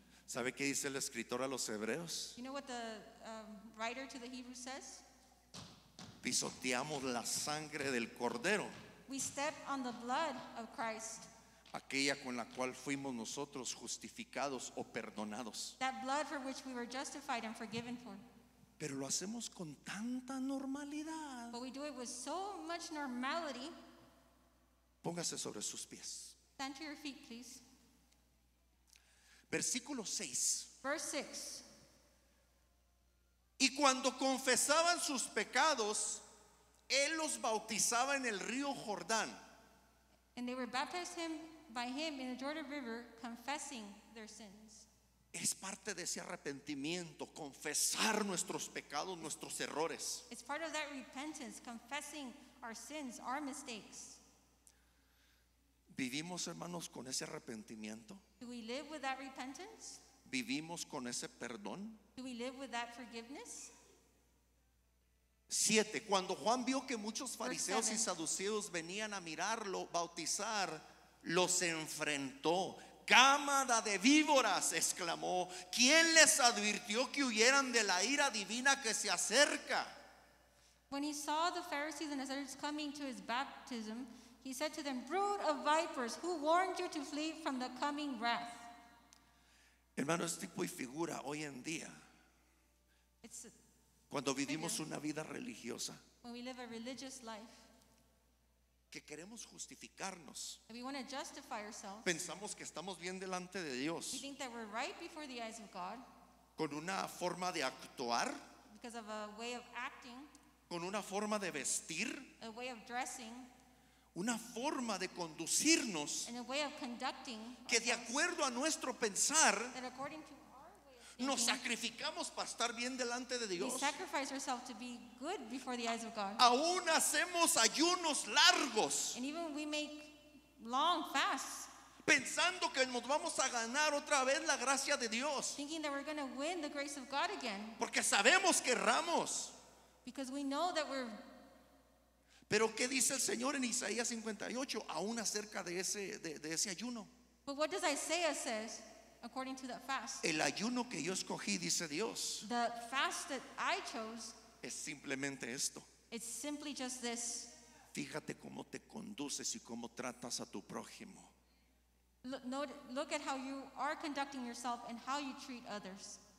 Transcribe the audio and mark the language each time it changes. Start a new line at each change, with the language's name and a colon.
Spanish: ¿Sabe qué dice el escritor a los hebreos?
English: You know what the writer to the Hebrews says?
Spanish: Pisoteamos la sangre del cordero.
English: We step on the blood of Christ.
Spanish: Aquella con la cual fuimos nosotros justificados o perdonados.
English: That blood for which we were justified and forgiven for.
Spanish: Pero lo hacemos con tanta normalidad.
English: But we do it with so much normality.
Spanish: Póngase sobre sus pies.
English: Stand to your feet, please.
Spanish: Versículo 6.
English: Verse 6.
Spanish: Y cuando confesaban sus pecados, él los bautizaba en el río Jordán.
English: And they were baptized by him in the Jordan River, confessing their sins.
Spanish: Es parte de ese arrepentimiento, confesar nuestros pecados, nuestros errores.
English: It's part of that repentance, confessing our sins, our mistakes.
Spanish: ¿Vivimos, hermanos, con ese arrepentimiento?
English: Do we live with that repentance?
Spanish: ¿Vivimos con ese perdón?
English: Do we live with that forgiveness?
Spanish: 7. Cuando Juan vio que muchos fariseos y saduceos venían a mirarlo, bautizar, los enfrentó. Cámara de víboras, exclamó. ¿Quién les advirtió que huyeran de la ira divina que se acerca?
English: When he saw the Pharisees and the others coming to his baptism, he said to them, brood of vipers, who warned you to flee from the coming wrath?
Spanish: Hermano, es tipo y figura hoy en día. Cuando vivimos una vida religiosa,
English: when we live a religious life,
Spanish: que queremos justificarnos,
English: and we want to justify ourselves,
Spanish: pensamos que estamos bien delante de Dios,
English: we think that we're right before the eyes of God,
Spanish: con una forma de actuar,
English: because of a way of acting,
Spanish: con una forma de vestir,
English: a way of dressing,
Spanish: una forma de conducirnos,
English: and a way of conducting,
Spanish: que de acuerdo a nuestro pensar,
English: that according to
Spanish: nos sacrificamos para estar bien delante de Dios.
English: We sacrifice ourselves to be good before the eyes of God.
Spanish: Aún hacemos ayunos largos.
English: And even we make long fasts.
Spanish: Pensando que nos vamos a ganar otra vez la gracia de Dios.
English: Thinking that we're going to win the grace of God again.
Spanish: Porque sabemos que erramos.
English: Because we know that we're.
Spanish: Pero ¿qué dice el Señor en Isaías 58 aún acerca de ese ayuno?
English: But what does Isaiah say? According to that fast,
Spanish: el ayuno que yo escogí, dice Dios,
English: the fast that I chose,
Spanish: es simplemente esto.
English: It's simply just this.
Spanish: Fíjate cómo te conduces y cómo tratas a tu prójimo.
English: Look at how you are conducting yourself and how you treat others.